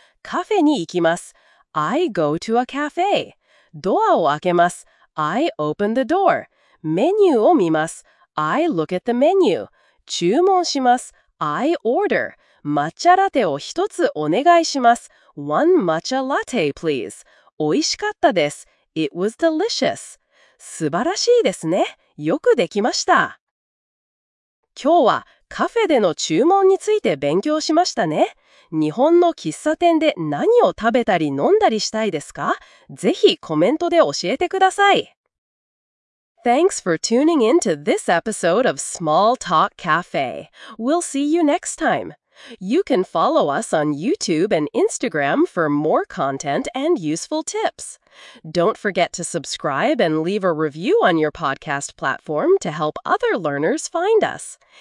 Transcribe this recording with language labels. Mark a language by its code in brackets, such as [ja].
[ja] カフェに行きます。 [en] I go to a cafe. [ja] ドアを開けます。 [en] I open the door. [ja] メニューを見ます。 [en] I look at the menu. [ja] 注文します。 [en] I order. [ja] 抹茶ラテを一つお願いします。 [en] One matcha latte, please. [ja] 美味しかったです。 [en] It was delicious. [ja] 素晴らしいですね。よくできました。今日はカフェでの注文について勉強しましたね。日本の喫茶店で何を食べたり飲んだりしたいですか？ぜひコメントで教えてください。 [en] Thanks for tuning in to this episode of Small Talk Cafe. We'll see you next time. You can follow us on YouTube and Instagram for more content and useful tips. Don't forget to subscribe and leave a review on your podcast platform to help other learners find us.